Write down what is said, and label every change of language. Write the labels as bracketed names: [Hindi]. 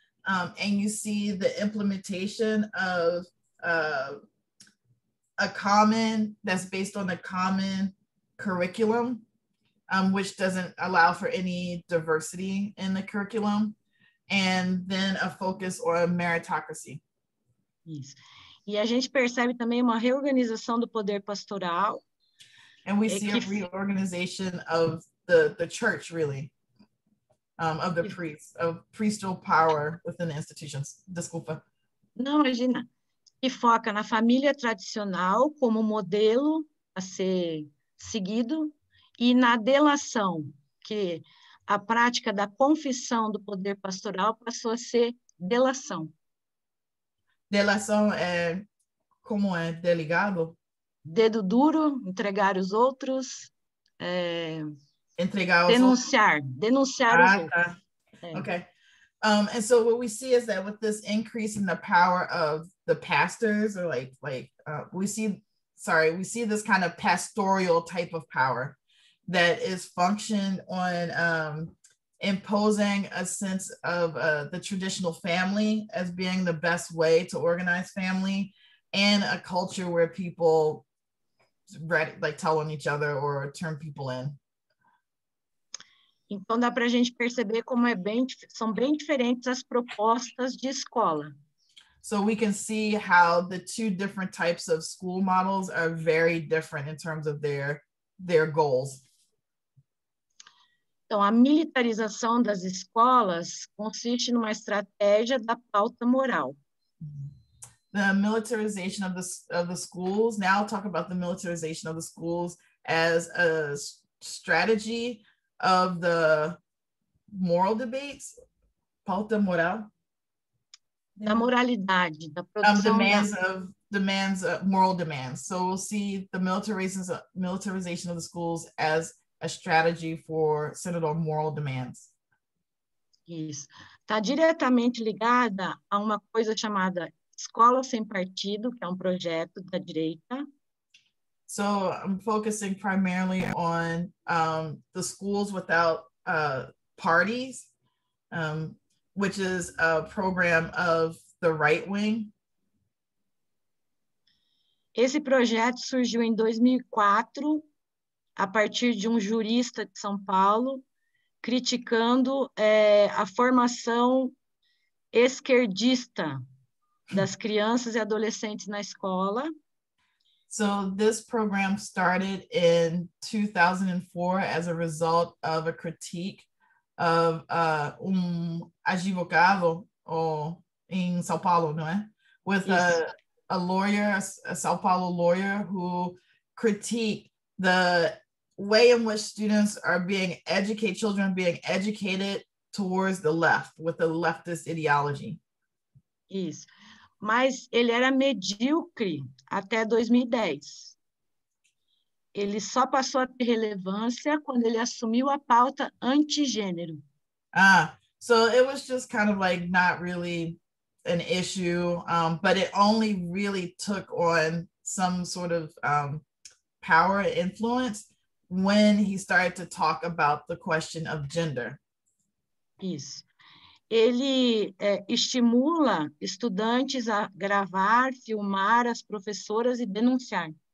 [English] And you see the implementation of a common that's based on a common curriculum, which doesn't allow for any diversity in the curriculum. And then a focus on meritocracy. [Portuguese] Isso. E a gente percebe também uma reorganização do poder pastoral. [English] And we see a reorganization of the church, really, of the priests, of priestal power within the institutions. [Portuguese] Desculpa. Não, imagina. Que foca na família tradicional como modelo a ser seguido e na delação, que a prática da confissão do poder pastoral passou a ser delação. Delação é, como é, delegado? Dedo duro, entregar os outros. É, entregar os denunciar, outros. Denunciar os outros. Tá. É. Ok. [English] And so what we see is that with this increase in the power of the pastors, or we see this kind of pastoral type of power that is functioned on imposing a sense of the traditional family as being the best way to organize family and a culture where people tell on each other or turn people in. [Portuguese] Então dá para a gente perceber como são bem diferentes as propostas de escola. [English] So we can see how the two different types of school models are very different in terms of their goals. [Portuguese] Então a militarização das escolas consiste numa estratégia da pauta moral. [English] The militarization of the schools, now I'll talk about the militarization of the schools as a strategy of the moral debates, [Portuguese] pauta moral, da moralidade, da produção, [English] moral demands. So we'll see the militarization of the schools as a strategy for centered on moral demands. [Portuguese] Isso. Está diretamente ligada a uma coisa chamada Escola Sem Partido, que é projeto da direita. [English] So I'm focusing primarily on the schools without parties, which is a program of the right wing. [Portuguese] Esse projeto surgiu em 2004 a partir de jurista de São Paulo criticando a formação esquerdista das crianças e adolescentes na escola. [English] So this program started in 2004 as a result of a critique of advogado in São Paulo, [Portuguese] não é? [English] With a lawyer, a São Paulo lawyer, who critiqued the way in which students are being educated, children being educated towards the left, with the leftist ideology. [Portuguese] Isso. Mas ele era medíocre até 2010. Ele só passou a ter relevância quando ele assumiu a pauta anti-gênero. [English] Ah, so it was just kind of like not really an issue, but it only really took on some sort of power and influence when he started to talk about the question of gender. [Portuguese] Isso. Ele estimula estudantes a gravar, filmar as professoras e denunciar.